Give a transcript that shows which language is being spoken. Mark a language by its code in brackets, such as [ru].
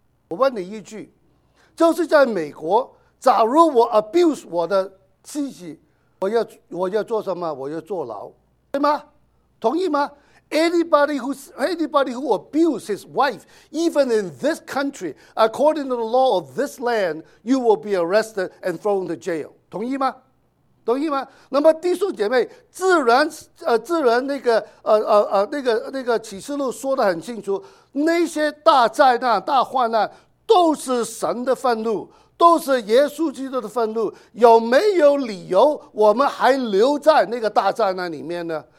[zh] 我问你一句，就是在美国，假如我 abuse 我的妻子，我要做什么？我要坐牢，对吗？同意吗？ [en] Anybody who abuse his wife, even in this country, according to the law of this land, you will be arrested and thrown to jail. [zh] 同意吗？那么弟兄姐妹，自然那个启示录说得很清楚，那些大灾难、大患难，都是神的愤怒，都是耶稣基督的愤怒，有没有理由我们还留在那个大灾难里面呢？